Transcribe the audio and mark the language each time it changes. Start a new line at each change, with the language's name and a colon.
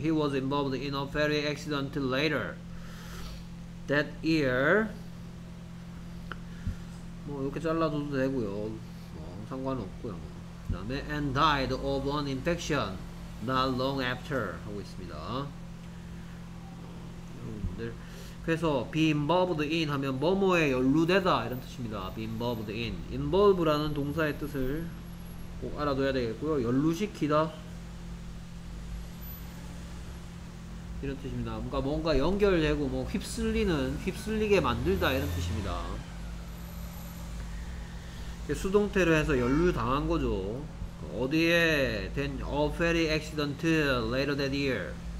English: He was involved in a ferry accident later that year.
Korean: 뭐 이렇게 잘라도 되고요. 뭐 상관없고요. 그 다음에
English: and died of an infection not long after
Korean: 하고 있습니다. 그래서 be involved in 하면 뭐뭐에 연루되다 이런 뜻입니다. be involved in involve라는 동사의 뜻을 꼭 알아둬야 되겠고요. 연루시키다 이런 뜻입니다. 뭔가 뭔가 연결되고 뭐 휩쓸리는 휩쓸리게 만들다 이런 뜻입니다. 수동태로 해서 연루당한 거죠. 어디에 된
English: a ferry accident later that year.